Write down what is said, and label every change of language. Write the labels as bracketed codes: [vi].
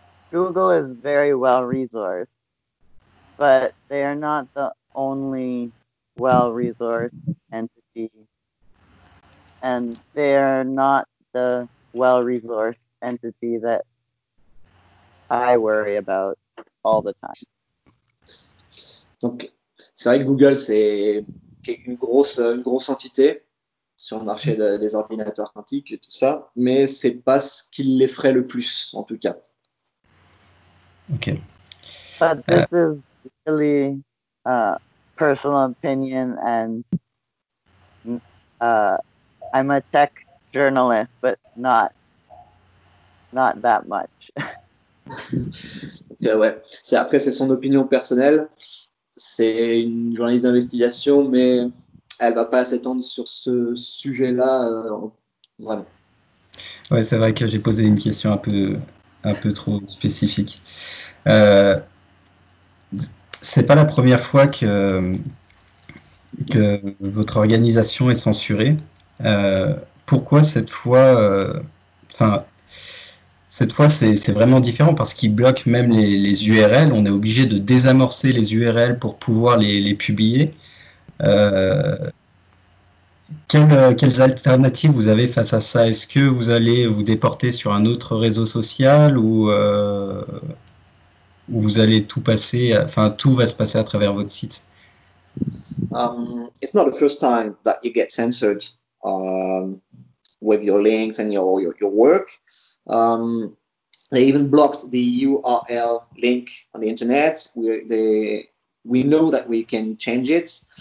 [en] Google is very well resourced, but they are not the only well resourced entity, and they are not the well resourced entity that I worry about all the time. [fr] Donc, c'est vrai que Google, c'est une grosse entité sur le marché des ordinateurs quantiques et tout ça, mais c'est pas ce qui l'effraie le plus, en tout cas. Ok. [en] But this is really personal opinion, and I'm a tech journalist, but not that much. [fr] Ouais. C'est son opinion personnelle. C'est une journaliste d'investigation, mais elle va pas s'étendre sur ce sujet-là, vraiment. Ouais, c'est vrai que j'ai posé une question un peu trop spécifique. C'est pas la première fois que votre organisation est censurée. Pourquoi cette fois, c'est vraiment différent parce qu'ils bloquent même les URL. On est obligé de désamorcer les URL pour pouvoir les publier. Quelles alternatives vous avez face à ça? Est-ce que vous allez vous déporter sur un autre réseau social ou vous allez tout va se passer à travers votre site? [en] It's not the first time that you get censored with your links and your work. They even blocked the URL link on the internet. We know that we can change it.